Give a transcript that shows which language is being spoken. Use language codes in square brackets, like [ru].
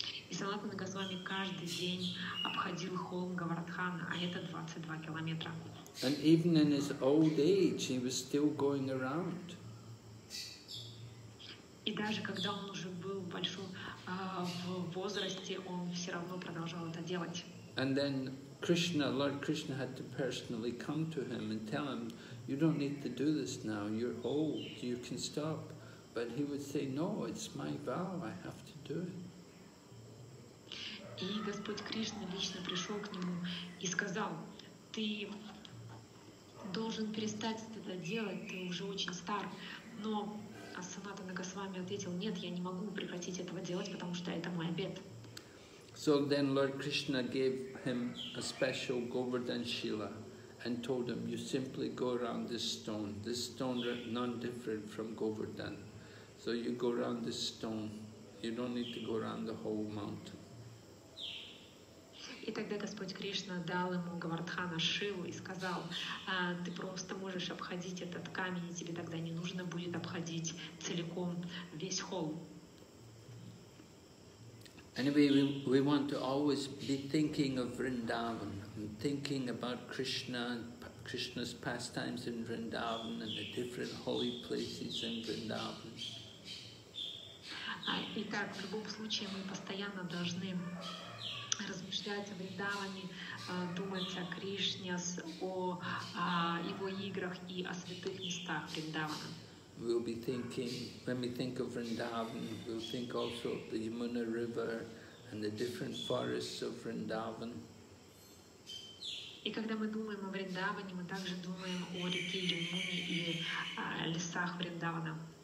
[ru] И Санатана Госвами каждый день обходил холм Говардхана, а это 22 километра. [en] And even in his old age, he was still going around. [ru] И даже когда он уже был большой в возрасте, он все равно продолжал это делать. [en] And then Krishna, Lord Krishna had to personally come to him and tell him, you don't need to do this now, you're old, you can stop. But he would say, no, it's my vow, I have to do it. [ru] И Господь Кришна лично пришел к нему и сказал, ты должен перестать это делать, ты уже очень стар. Но Санатана Госвами ответил, нет, я не могу прекратить этого делать, потому что это мой обет. [en] So then Lord Krishna gave him a special Govardhan Shila and told him, you simply go around this stone non-different from Govardhan. So you go around this stone, you don't need to go around the whole mountain. [ru] И тогда Господь Кришна дал ему Говардхана Шилу и сказал, ты просто можешь обходить этот камень, и тебе тогда не нужно будет обходить целиком весь холм. [en] Anyway, we want to always be thinking of Vrindavan, and thinking about Krishna, Krishna's pastimes in Vrindavan, and the different holy places in Vrindavan. [ru] Итак, в любом случае мы постоянно должны размышлять о Вриндаване, думать о Кришне, о его играх и о святых местах Вриндавана. [en] We'll be thinking, when we think of Vrindavan, we'll think also of the Yamuna River and the different forests of Vrindavan. [ru] И когда мы думаем о Вриндаване, мы также думаем о реке Ямуне и лесах Вриндавана.